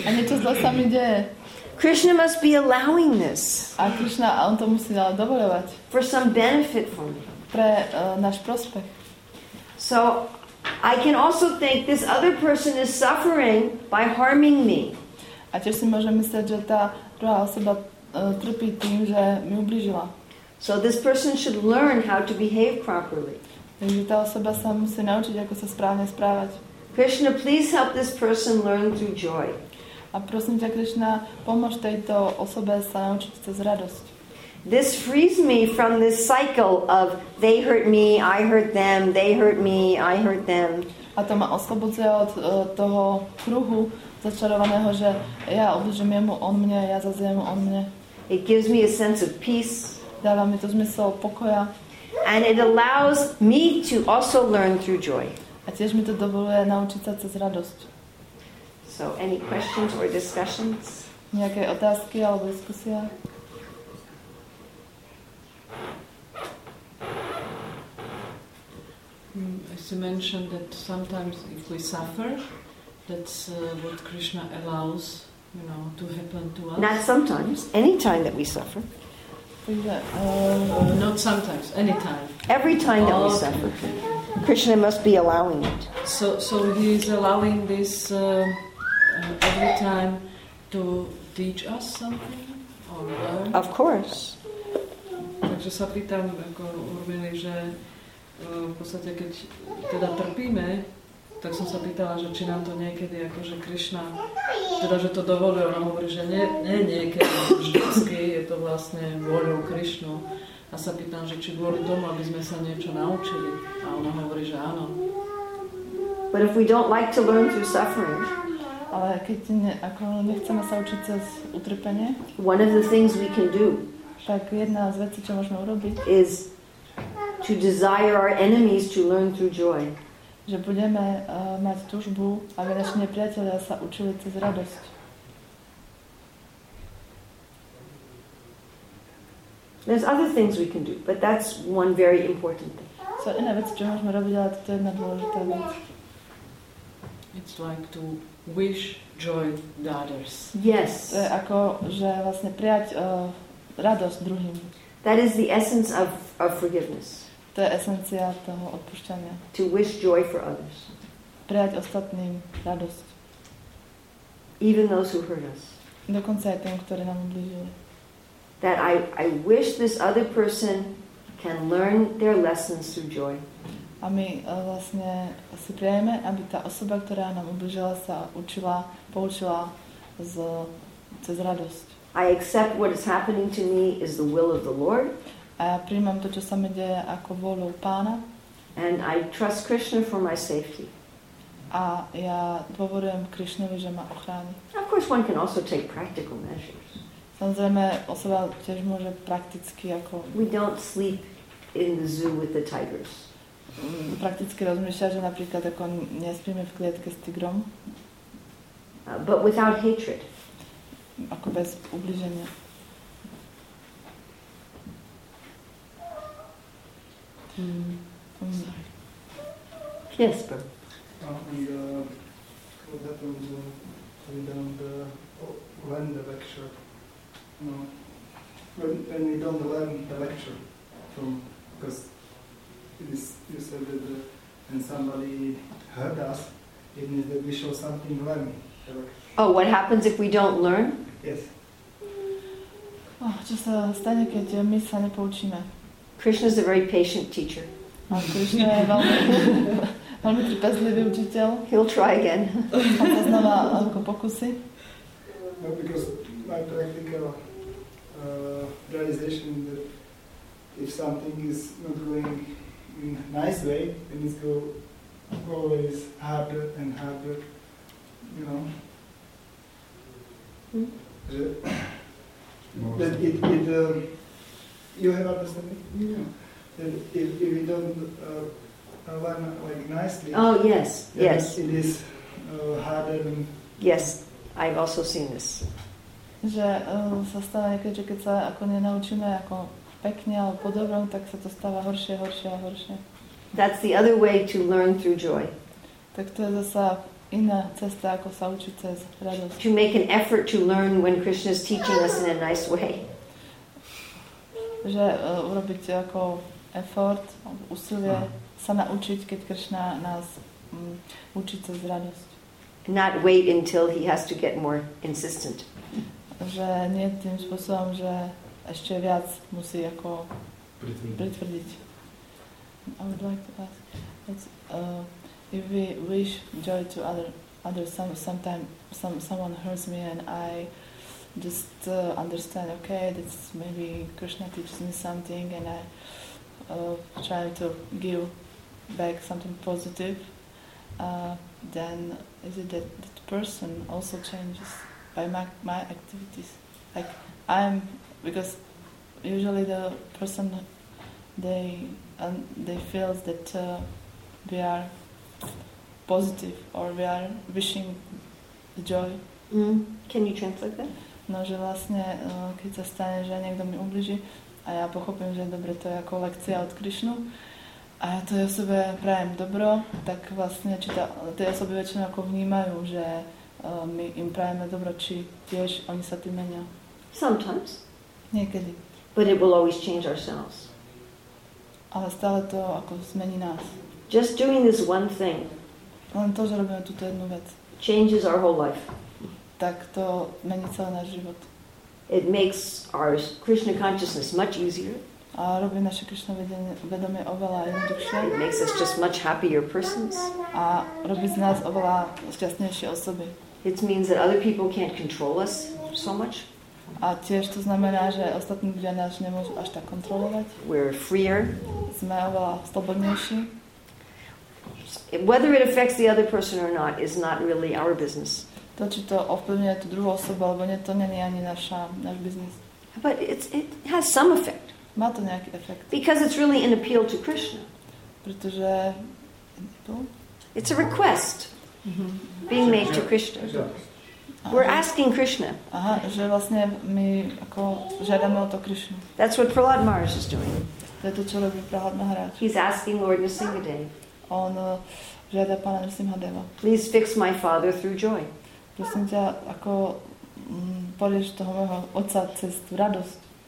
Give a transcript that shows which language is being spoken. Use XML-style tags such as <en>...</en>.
<sk>A niečo zlo sa mi deje.</sk> <en>Krishna must be allowing this.</en> <sk>A Krishna, on to musí ale dovoľovať.</sk> <en>For some benefit for me.</en> <sk>Pre náš prospech.</sk> <en>So I can also think this other person is suffering by harming me.</en> <sk>A tiež si môžem myslieť, že tá druhá osoba trpí tým, že mi ublížila.</sk> <en>So this person should learn how to behave properly.</en> <sk>Takže tá osoba sa musí naučiť, ako sa správne správať.</sk> <en>Krishna, please help this person learn through joy.</en> <sk>A prosím ťa, Krishna, pomôž tejto osobe sa naučiť cez radosť.</sk> <en>This frees me from this cycle of they hurt me, I hurt them, they hurt me, I hurt them.</en> <sk>A to ma oslobodzuje od toho kruhu začarovaného, že ja obdržím jemu, on mne, ja zase jemu, on mne.</sk> <en>It gives me a sense of peace.</en> <sk>Dáva mi to zmysel pokoja.</sk> <en>And it allows me to also learn through joy.</en> <sk>A tiež mi to dovoluje naučiť sa cez radosť.</sk> <en>So any questions or discussions?</en> <sk>Nejaké otázky alebo diskusia?</sk> <en>As you mentioned that sometimes if we suffer, that's what Krishna allows, you know, to happen to us. Not sometimes, any time that we suffer. Not sometimes, any time. Every time that we suffer. Krishna must be allowing it. So he is allowing this every time to teach us something or learn? Of course.</en> <sk>Takže sa pýtam, ako urobili, že v podstate, keď teda trpíme, tak som sa pýtala, že či nám to niekedy, akože Krishna, teda, že to dovolil, ona hovorí, že nie niekedy, vždycky je to vlastne vôľou Krishnu. A sa pýtam, že či kvôli tomu, aby sme sa niečo naučili. A ona hovorí, že áno.</sk> <en>But if we don't like to learn through suffering,</en> <sk>ale keď nechceme sa učiť cez utrpenie,</sk> <en>one of the things we can do,</en> <sk>tak jedna z vecí, čo môžeme urobiť,</sk> <en>is to desire our enemies to learn through joy.</en> <sk>Že budeme mať túžbu, aby naši nepriatelia sa učili cez radosť.</sk> <en>There's other things we can do, but that's one very important thing.</en> <sk>So iné veci, čo môžeme robiť, ale toto je jedna dôležitá vec.</sk> <en>It's like to wish joy to others. Yes.</en> <sk>To je ako, že vlastne prijať radosť druhým.</sk> <en>That is the essence of forgiveness.</en> <sk>To je esencia toho odpúšťania.</sk> <en>To wish joy for others.</en> <sk>Prijať ostatným radosť.</sk> <en>Even those who hurt us.</en> <sk>Dokonca aj tým, ktoré nám ublížili.</sk> <en>That I wish this other person can learn their lessons through joy.</en> <sk>A my vlastne si prejeme, aby tá osoba, ktorá nám ublížila, sa učila, poučila cez radosť.</sk> <en>I accept what is happening to me is the will of the Lord.</en> <sk>A ja prijímam to, čo sa mi deje, ako vôľu Pána.</sk> <en>And I trust Krishna for my safety.</en> <sk>A ja dôverujem Krišnovi, že ma ochráni.</sk> <en>Of course one can also take practical measures.</en> <sk>Samozrejme, osoba tiež môže prakticky ako...</sk> <en>We don't sleep in the zoo with the tigers.</en> <sk>Prakticky rozmýšľa, že napríklad ako nespíme v klietke s tigrom.</sk> <en>But without hatred.</en> <sk>Ako bez ublíženia.</sk> <en>Sorry. Yes, bro. What happens when we learn the lecture? No, when we don't learn the lecture from, because it is, you said that when somebody hurt us, it means that we show something learning. Oh, what happens if we don't learn? Yes.</en> <sk>Oh, čo sa stane, keď my sa nepoučíme?</sk> <en>Krishna is a very patient teacher.</en> <sk>Krishna je veľmi trpezlivý učiteľ.</sk> <en>He'll try again.</en> <sk>On sa znova ako pokusí.</sk> <en>No, because my practical realization that if something is not going in a nice way, then it's going always harder and harder, you know. That you have understanding? Yeah. That if you don't learn like nicely. Oh yes, yes. It is harder. And, yes, I've also seen this.</en> <sk>Že sa stáva, keď sa ako nenaučíme ako pekne alebo po dobrom, tak sa to stáva horšie, horšie a horšie.</sk> <en>That's the other way to learn through joy.</en> <sk>Tak to je zasa iná cesta, ako sa učiť cez radosť.</sk> <en>To make an effort to learn when Krishna is teaching us in a nice way.</en> <sk>Že urobiť ako effort, úsilie sa naučiť, keď Krishna nás učí cez radosť.</sk> <en>Not wait until he has to get more insistent.</en> <sk>Že nie tým spôsobom, že ešte viac musí ako pritvrdiť.</sk> <en>I would like to ask, if we wish joy to others, someone hurts me and I just understand, okay, that's maybe Krishna teaches me something and I try to give back something positive, then is it that that person also changes by my activities? Like I'm, because usually the person they feel that we are positive or we are wishing the joy. Mm. Can you translate that?</en> <sk>No, že vlastne, keď sa stane, že niekto mi ubliží a ja pochopím, že dobre, to je ako lekcia od Krišnu a ja tej osobe prajem dobro, tak vlastne, či tie osoby väčšinou ako vnímajú, že my im prajeme dobro, či tiež oni sa tým menia.</sk> <en>Sometimes.</en> <sk>Niekedy.</sk> <en>But it will always change ourselves.</en> <sk>Ale stále to ako zmení nás.</sk> <en>Just doing this one thing.</en> <sk>Len to, že robíme túto jednu vec.</sk> <en>Changes our whole life.</en> <sk>Tak to mení celý náš život.</sk> <en>It makes our Krishna consciousness much easier.</en> <sk>A robí naše Krishna vedomie oveľa jednoduchšie.</sk> <en>It makes us just much happier persons.</en> <sk>A robí z nás oveľa šťastnejšie osoby.</sk> <en>It means that other people can't control us so much.</en> <sk>A tiež to znamená, že ostatní ľudia nás nemôžu až tak kontrolovať.</sk> <en>We're freer.</en> <sk>Sme oveľa slobodnejší.</sk> <en>Whether it affects the other person or not is not really our business.</en> <sk>To, či to ovplyvňuje tú druhú osobu, alebo nie, to není ani náš biznis.</sk> <en>But it has some effect.</en> <sk>Má to nejaký efekt.</sk> <en>Because it's really an appeal to Krishna.</en> <sk>Pretože...</sk> <en>It's a request being made to Krishna. We're asking Krishna.</en> <sk>Aha, že vlastne my ako žiadame o to Krishna.</sk> <en>That's what Prahlad Maharaj is doing.</en> <sk>To je to, čo robí Prahlad Maharaj.</sk> <en>He's asking Lord Nrsimhadeva.</en> <sk>On Žádá pána Narsimhadeva.</sk> <en>Please fix my father through joy.</en> <sk>Prosím ťa, ako poriešť toho môjho otca cez tú radosť.</sk>